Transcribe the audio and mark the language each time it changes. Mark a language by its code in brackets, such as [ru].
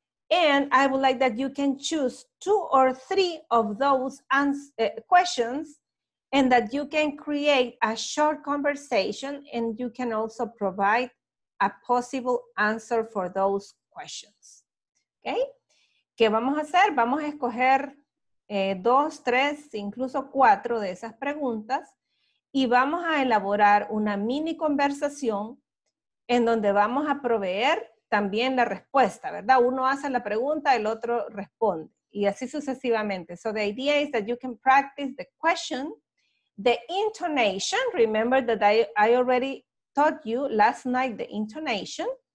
[en] And I would like that you can choose two or three of those questions and that you can create a short conversation and you can also provide a possible answer for those questions. [es] Okay? ¿Qué vamos a hacer? Vamos a escoger dos, tres, incluso cuatro de esas preguntas y vamos a elaborar una mini conversación en donde vamos a proveer también la respuesta, ¿verdad? Uno hace la pregunta, el otro responde y así sucesivamente. [en] So the idea is that you can practice the question, the intonation. Remember that I already taught you last night the intonation.